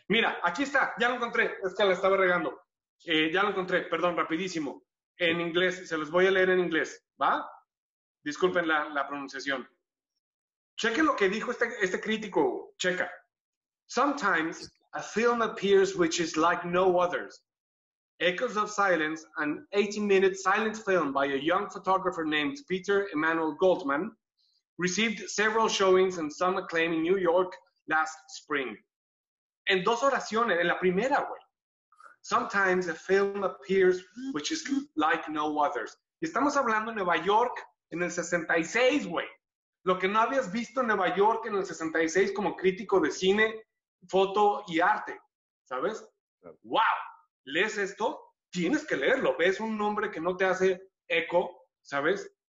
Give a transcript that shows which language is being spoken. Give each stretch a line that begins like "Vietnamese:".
Spanish: Mira, aquí está, ya lo encontré. Es que la estaba regando. Ya lo encontré, perdón, rapidísimo. En inglés, se los voy a leer en inglés, ¿va? Disculpen la pronunciación. Cheque lo que dijo este crítico, checa.
English: Sometimes a film appears which is like no others. Echoes of Silence, an 18-minute silent film by a young photographer named Peter Emmanuel Goldman, received several showings and some acclaim in New York last spring.
Spanish: En dos oraciones, en la primera, güey.
English: Sometimes a film appears which is like no others.
Spanish: Estamos hablando de Nueva York en el 66, güey. Lo que no habías visto en Nueva York en el 66 como crítico de cine, foto y arte, ¿sabes? ¡Wow! Lees esto, tienes que leerlo. Ves un nombre que no te hace eco, ¿sabes?